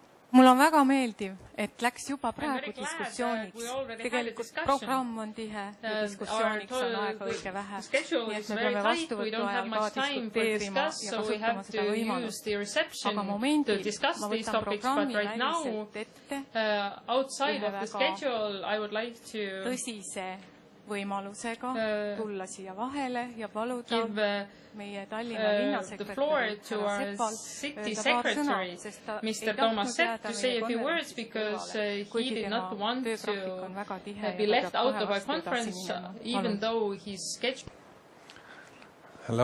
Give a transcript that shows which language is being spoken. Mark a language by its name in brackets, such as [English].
[Estonian] Mul on väga meeldiv, et läks juba praegu diskussiooniks. Tegelikult programm on tihe ja diskussiooniks on aega õige vähe. Nii et me peame vastu võtta aega diskuteerima ja kasutama seda võimalust. Aga momentil ma võtan programmi näiliselt ette. [English] Outside of the schedule, I would like to... [Estonian] Tõsise võimalusega tulla siia vahele ja paluda meie Tallinna linnasekretäri Toomas Seppalt paar sõna, sest ta ei tahtnud jääda meie konverentsis kõrvale, kuigi tema töögraafik on väga tihe ja peab kohe vastu edasi minema.